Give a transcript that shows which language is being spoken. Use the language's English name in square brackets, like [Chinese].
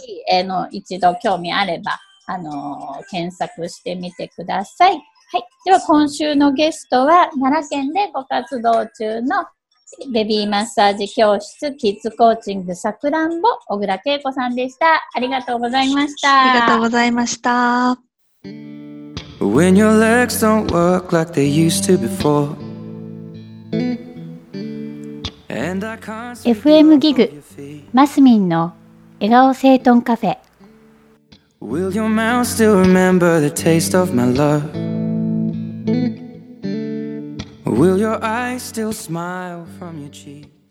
[Japanese] ぜひ、一度興味あれば、検索してみてください。はい、では今週のゲストは奈良県でご活動中のベビーマッサージ教室キッズコーチングさくらんぼ小倉恵子さんでした。ありがとうございました。ありがとうございました。 [English] When your legs don't work like they used to before [Japanese] FM ギグマスミンの笑顔整頓カフェ。 [English] Will your mouth still remember the taste of my love? Will your eyes still smile from your cheek?